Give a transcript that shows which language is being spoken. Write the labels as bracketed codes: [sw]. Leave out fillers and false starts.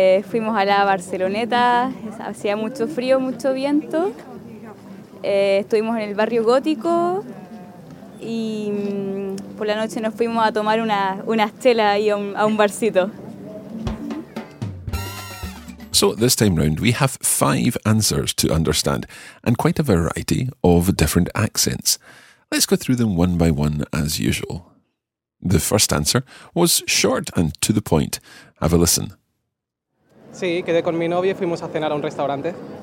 [es] Fuimos a la Barceloneta, hacía mucho frío, mucho viento. Estuvimos en el barrio gótico y por la noche nos fuimos a tomar unas chelas y a un barcito. [en] So this time round, we have five answers to understand and quite a variety of different accents. Let's go through them one by one as usual. The first answer was short and to the point. Have a listen. [es] Sí, quedé con mi novia y fuimos a cenar a un restaurante.